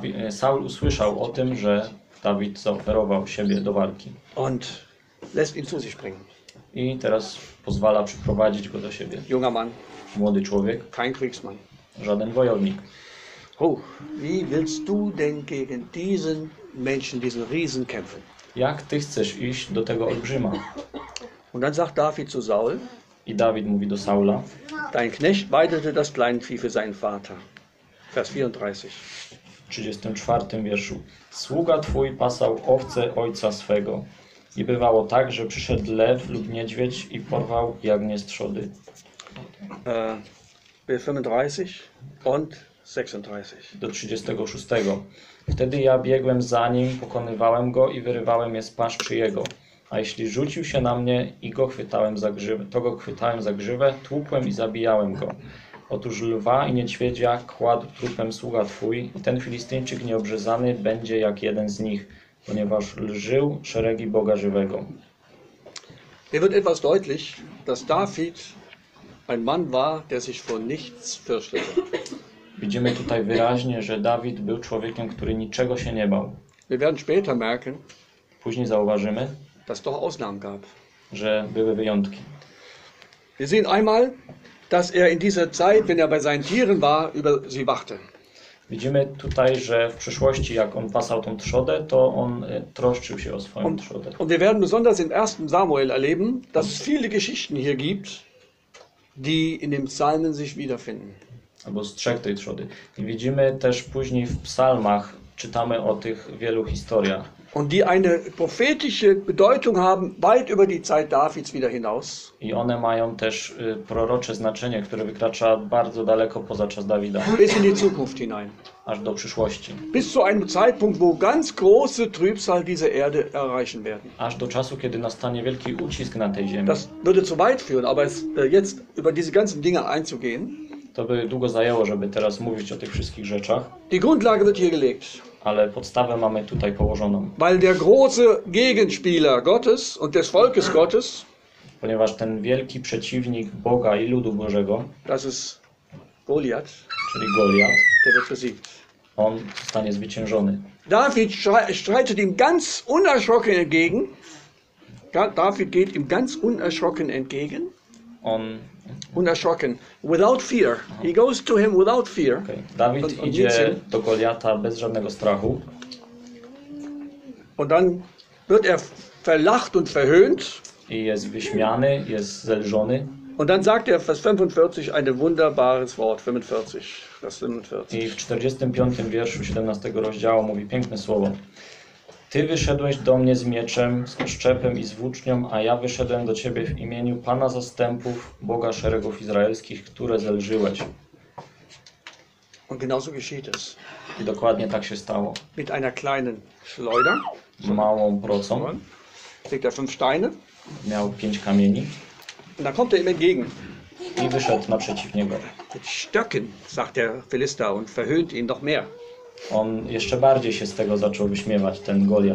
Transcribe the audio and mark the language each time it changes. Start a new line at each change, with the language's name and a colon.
Polish: Saul usłyszał o tym, że Dawid zaoferował siebie do walki.
German: Und lässt ihn zu sich bringen.
Polish: I teraz pozwala przyprowadzić go do siebie.
German: Junger Mann.
Polish: Młody człowiek.
German: Kein Kriegsmann.
Polish: Żaden wojownik.
German: Oh, wie willst du denn gegen diesen Menschen, diesen Riesen kämpfen?
Polish: Jak ty chcesz iść do tego olbrzyma?
German: Und dann sagt David zu Saul.
Polish: I Dawid mówi do Saula.
German: Dein Knecht weidete das Kleinvieh für seinen Vater. Vers 34.
Polish: W 34 wierszu. Sługa twój pasał owce ojca swego. I bywało tak, że przyszedł lew lub niedźwiedź i porwał jagnię z trzody.
German: 35 und 36.
Polish: Do 36. Wtedy ja biegłem za nim, pokonywałem go i wyrywałem je z paszczy jego. A jeśli rzucił się na mnie i go chwytałem za grzywę, to go chwytałem za grzywę, tłukłem i zabijałem go. Otóż lwa i niedźwiedzia kładł trupem sługa twój i ten Filistyńczyk nieobrzezany będzie jak jeden z nich. Ponieważ lżył szeregi Boga żywego.
German: Hier wird etwas deutlich, dass David ein Mann war, der sich vor nichts fürchtete.
Polish: Widzimy tutaj wyraźnie, że Dawid był człowiekiem, który niczego się nie bał.
German: Wir werden später merken,
Polish: później zauważymy,
German: dass doch Ausnahmen gab.
Polish: Że były wyjątki.
German: Wir sehen einmal, dass er in dieser Zeit, wenn er bei seinen Tieren war, über sie wachte.
Polish: Widzimy tutaj, że w przeszłości, jak on pasał tą trzodę, to on troszczył się o swoją trzodę.
German: Und wir werden besonders im 1. Samuel erleben, dass es viele Geschichten hier gibt, die in den Psalmen sich wiederfinden.
Polish: Albo strzeg tej trzody. I widzimy też później w psalmach, czytamy o tych wielu historiach.
German: Und die eine prophetische Bedeutung haben, weit über die Zeit Davids wieder hinaus.
Polish: I one mają też prorocze znaczenie, które wykracza bardzo daleko poza czas Dawida.
German: Bis in die Zukunft hinein.
Polish: Aż do przyszłości.
German: Bis zu einem Zeitpunkt, wo ganz große Trübsal diese Erde erreichen werden.
Polish: Aż do czasu, kiedy nastanie wielki ucisk na tej ziemi.
German: Das würde zu weit führen, aber es, jetzt über diese ganzen Dinge einzugehen.
Polish: To by długo zajęło, żeby teraz mówić o tych wszystkich rzeczach.
German: Die Grundlage wird hier gelegt.
Polish: Ale podstawę mamy tutaj położoną.
German: Weil der große Gegenspieler Gottes und des Volkes Gottes,
Polish: ponieważ ten wielki przeciwnik Boga i ludu Bożego,
German: das ist Goliath,
Polish: czyli Goliath,
German: der wird besiegt.
Polish: On zostanie zwyciężony.
German: David streitet ihm ganz unerschrocken entgegen. David geht ihm ganz unerschrocken entgegen.
Polish: On
English: unerschrocken, without fear. He goes to him without fear. Okay.
Polish: Dawid idzie do Goliata bez żadnego strachu.
German: Und dann wird er verlacht und verhöhnt.
Polish: I jest wyśmiany, jest zelżony.
German: Und dann sagt er Vers 45 ein wunderbares Wort. 45, Vers 45.
Polish: I w 45 wierszu 17 rozdziału mówi piękne słowo. Ty wyszedłeś do mnie z mieczem, z oszczepem i z włócznią, a ja wyszedłem do ciebie w imieniu Pana Zastępów, Boga Szeregów Izraelskich, które zelżyłeś.
German: Und genauso geschieht es.
Polish: I dokładnie tak się stało.
German: Mit einer kleinen Schleuder.
Polish: Małą procą.
German: Kriegt er fünf Steine.
Polish: Miał pięć kamieni.
German: Und da kommt er ihm entgegen.
Polish: I wyszedł naprzeciw niego.
German: Mit Stöcken, sagt der Philister und verhöhnt ihn noch mehr.
Polish: On jeszcze bardziej się z tego zaczął wyśmiewać, ten